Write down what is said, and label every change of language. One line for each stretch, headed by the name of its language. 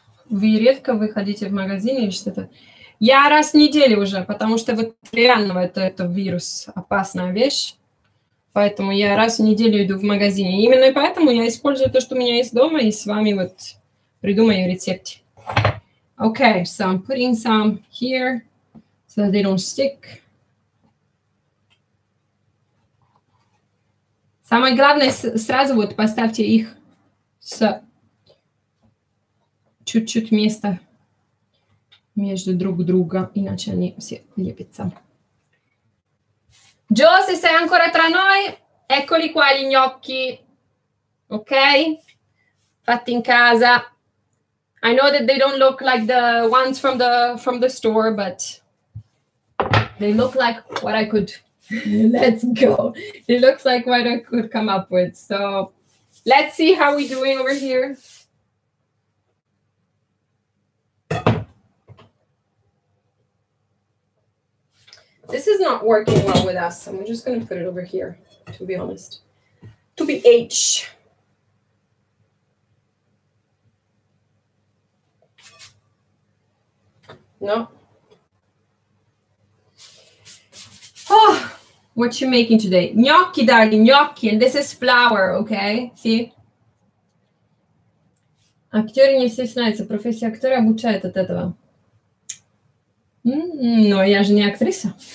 Russian: Вы редко выходите в магазин или что-то? Я раз в неделю уже, потому что вот реально это вирус, опасная вещь. Поэтому я раз в неделю иду в магазине. Именно поэтому я использую то, что у меня есть дома, и с вами вот придумаю рецепт.
English: Okay, so I'm putting some here so that they don't stick.
Russian: Самое главное, сразу вот поставьте их с чуть-чуть места между друг друга, иначе они все лепятся.
Italian: Джо, se sei ancora tra noi, eccoli qua gli gnocchi. Ok? Fatti in casa.
English: I know that they don't look like the ones from the store, but they look like what I could. Let's go. It looks like what I could come up with. So let's see how we're doing over here. This is not working well with us. I'm just going to put it over here, to be honest. To be H. No. Oh, what you making today? Gnocchi, dai, gnocchi, and this is flour, okay? See?
Russian: Актер не все снается. Профессия актера обучает от этого. Но я же не актриса.